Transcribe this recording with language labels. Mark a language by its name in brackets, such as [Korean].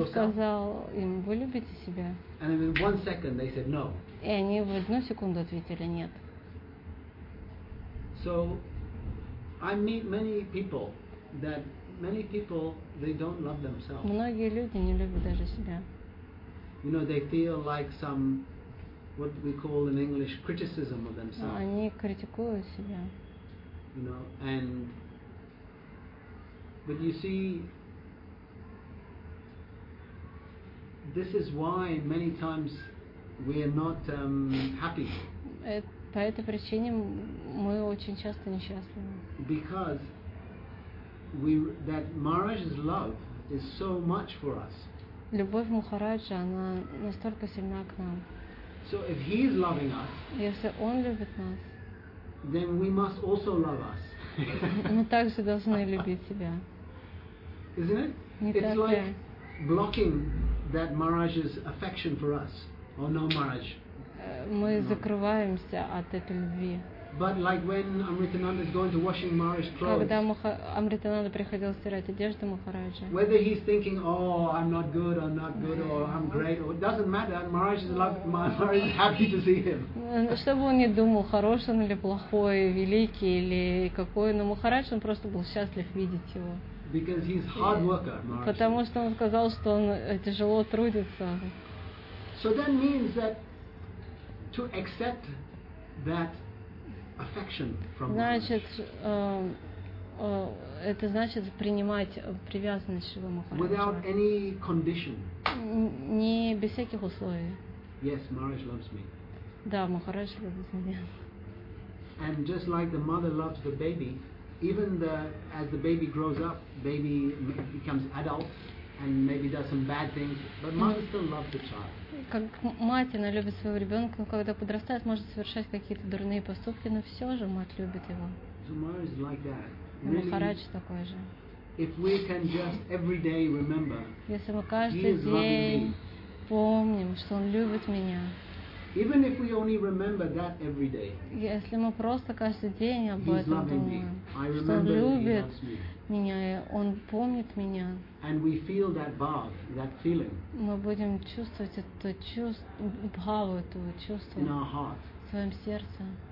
[Russian] Я сказал им, вы любите себя? [English] And in one second they said no. [Russian] И они в одну секунду ответили нет. [English] So I meet many people that many people they don't love themselves. [Russian] Многие люди не любят даже себя. [English] You know, they feel like some what we call in English criticism of themselves. [Russian] Они критикуют себя. [English] You know, and but you see, this is why many times we are not happy. [Russian] По этой причине мы очень часто несчастливы. [English] Because that Maharaj's love is so much for us. [Russian] Любовь Махараджа, она настолько сильна к нам. [English] So if he is loving us, [Russian] если он любит нас, [English] then we must also love us. [Russian] Мы также должны любить себя. [English] Isn't it? It's like blocking that Maharaj's affection for us. Oh no, Maharaj. [Russian] Мы закрываемся от этой любви. [English] But like when Amritananda is going to washing Maharaj's clothes. [Russian] Когда Амритананда приходил стирать одежду Махараджа. [English] Whether he's thinking, oh, I'm not good, I'm not good, or I'm great, or it doesn't matter. Maharaj is loved. Maharaj is happy to see him. [Russian] Что бы он ни думал, хороший он или плохой, великий или какой, но Махарадж он просто был счастлив видеть его. [English] Because he's hard worker, Maharaj. [Russian] Потому что он сказал, что он тяжело трудится. [English] So that means that to accept that affection from Maharaj. [Russian] Значит, это значит принимать привязанность Шрилы Махараджа. [English] Without any condition. [Russian] Не без всяких условий. [English] Yes, Maharaj loves me. [Russian] Да, Махарадж любит меня. [English] And just like the mother loves the baby, even as the baby grows up, baby becomes adult and maybe does some bad things, but mother still loves the child. [Russian] Как мать, она любит своего ребенка, но когда подрастает, может совершать какие-то дурные поступки, но все же мать любит его. Махарадж такой же. [English] If we can just every day remember, [Russian] если мы каждый день помним, что он любит меня, [English] even if we only remember that every day, [Russian] если мы просто каждый день об этом думаем, что он любит меня, он помнит меня. [English] And we feel that bhav, that feeling. [Russian] Мы будем чувствовать это чувство, бхаву этого чувства. [English] In our heart. [Russian] В своем сердце.